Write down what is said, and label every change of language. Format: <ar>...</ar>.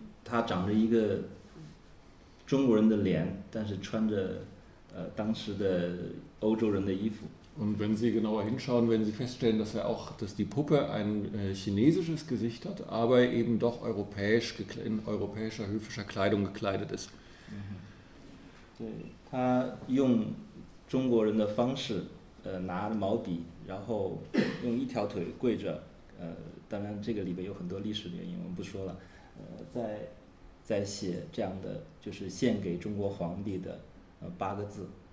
<zh>他长着一个中国人的脸，但是穿着当时的欧洲人的衣服。</zh> <de>Und wenn Sie genauer hinschauen, werden Sie feststellen, dass er auch, dass die Puppe ein chinesisches Gesicht hat, aber eben doch europäisch in europäischer höfischer Kleidung gekleidet ist.</de> <zh>对，他用中国人的方式，拿毛笔，然后用一条腿跪着，当然这个里边有很多历史原因，我们不说了。在写这样的就是献给中国皇帝的八个字。</zh>